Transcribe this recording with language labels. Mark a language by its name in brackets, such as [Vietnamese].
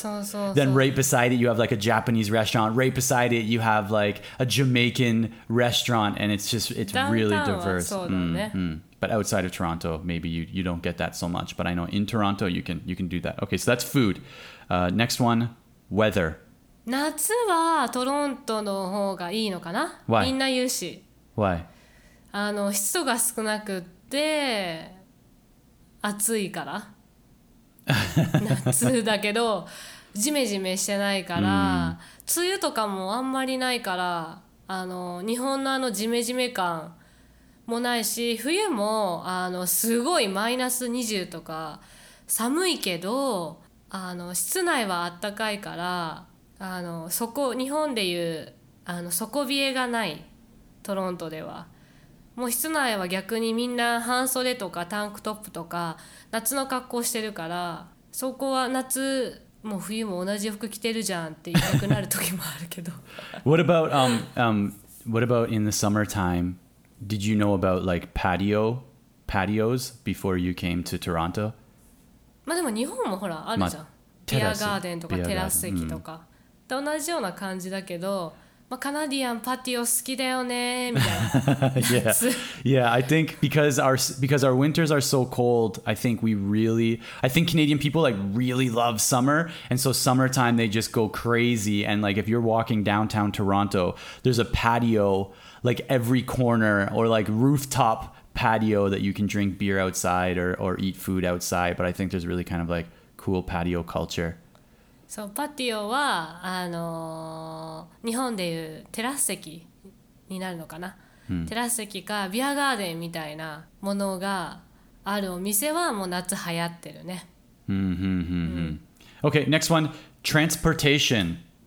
[English] Then right beside it, you have like a Japanese restaurant. Right beside it, you have like a Jamaican restaurant. And it's just, it's really diverse. But outside of Toronto, maybe you don't get that so much. But I know in Toronto, you can do that. Okay, so that's food. Next one, weather. [Japanese] 夏はトロントの方がいいのかな？ [English] Why? [Japanese] みんな言うし。 [English] Why? [Japanese] 湿度が少なくて暑いから。夏だけどジメジメしてないから、梅雨とかもあんまりないから、日本のジメジメ感もないし、冬もすごいマイナス20とか寒いけど、室内はあったかいから、そこ日本でいう底冷えがない。トロントではもう室内は逆にみんな半袖とかタンクトップとか夏の格好してるから、そこは夏も冬も同じ服着てるじゃんって言いたくなる時もあるけど。 [English] What about what about in the summertime? Did you know about like patios before you came to Toronto? [Japanese] まあでも日本もほらあるじゃん、ビアガーデンとかテラス席とか、と同じような感じだけど、まあ、カナディアンパティオ好きだよねみたいな。 [English] Yeah. Yeah, I think because our winters are so cold, I think Canadian people like really love summer, and so summertime they just go crazy, and like if you're walking downtown Toronto, there's a patio like every corner, or like rooftop patio that you can drink beer outside or eat food outside, but I think there's really kind of like cool patio culture. [Japanese] そう、パティオは日本でいうテラス席になるのかな、テラス席かビアガーデンみたいなものがあるお店はもう夏流行ってるね。 [English] Okay, next one, transportation.